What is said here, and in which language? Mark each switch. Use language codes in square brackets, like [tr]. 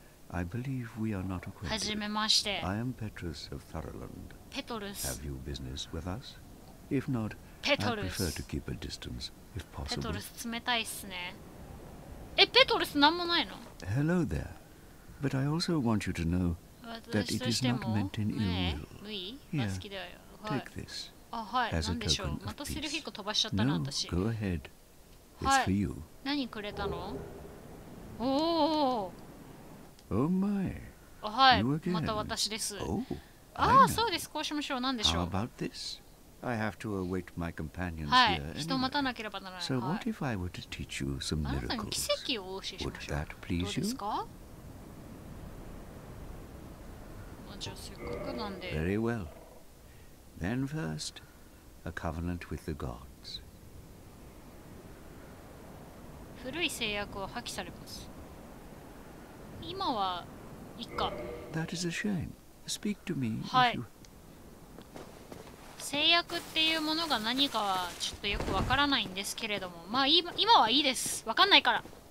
[en] I believe we are not acquainted. [ja] はじめまして。 [en] I am Petrus of Thoroland. [ja] ペトルス。 [en] Have you business with us? If not,I prefer to keep a distance, if possible. [ja] ペトルス冷たいっすね。え、ペトルスなんもないの？ [en] Hello there. But I also want you to know that it is not meant in ill will. [ja] ね、無意？好きだよ。はい。 [en] Take this. [ja] あ、はい。何でしょう？またセルフィーク飛ばしちゃったな、私。 [en] No, go ahead. It's for you. [ja] 何くれたの？おお。 [en] Oh my. [ja] はい。また私です。 [en] Oh, [ja] ああ、そうです。こうしましょう。何でしょう？ [en] How about this? I have to await my companions here. [ja] はい、人待たなければならない。 [en] So what if I were to teach you some miracles? [ja] あなたに奇跡を教えましょう。 [en] Would that please you? [ja] どうですか？まあ、じゃあせっかくなんで。 [en] Very well. Then first, a covenant with the gods. [ja] 古い制約を破棄されます。今はいっか。 [en] That is a shame. Speak to me. [ja] はい。制約っていうものが何かはちょっとよくわからないんですけれども、まあ今はいいです。わかんないから。